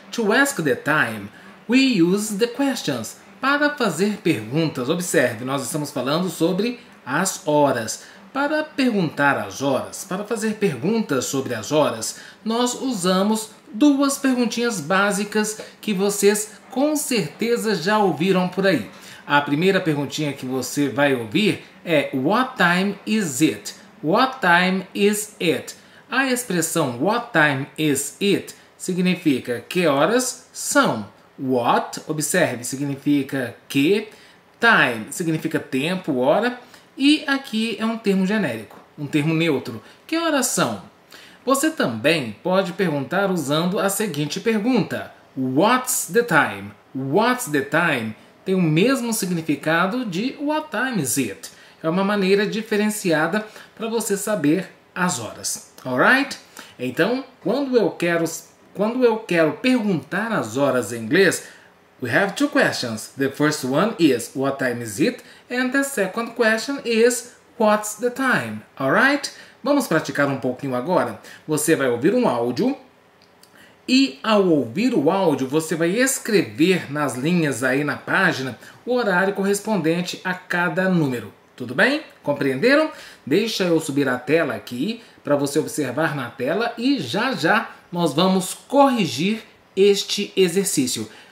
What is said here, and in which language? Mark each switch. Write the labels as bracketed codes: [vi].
[en] To ask the time, we use the questions. [pt] Para fazer perguntas, observe, nós estamos falando sobre as horas. Para perguntar as horas, para fazer perguntas sobre as horas, nós usamos duas perguntinhas básicas que vocês com certeza já ouviram por aí. A primeira perguntinha que você vai ouvir é [en] What time is it? What time is it? [pt] A expressão [en] What time is it? [pt] Significa que horas são. [en] What, [pt] observe, significa que. Time significa tempo, hora. E aqui é um termo genérico, um termo neutro. Que horas são? Você também pode perguntar usando a seguinte pergunta. [en] What's the time? What's the time? [pt] Tem o mesmo significado de [en] what time is it? [pt] É uma maneira diferenciada para você saber as horas. [en] Alright? [pt] Então, quando eu quero perguntar as horas em inglês, [en] we have two questions. The first one is what time is it? And the second question is what's the time? Alright? [pt] Vamos praticar um pouquinho agora? Você vai ouvir um áudio. E ao ouvir o áudio, você vai escrever nas linhas aí na página o horário correspondente a cada número. Tudo bem? Compreenderam? Deixa eu subir a tela aqui para você observar na tela e já nós vamos corrigir este exercício.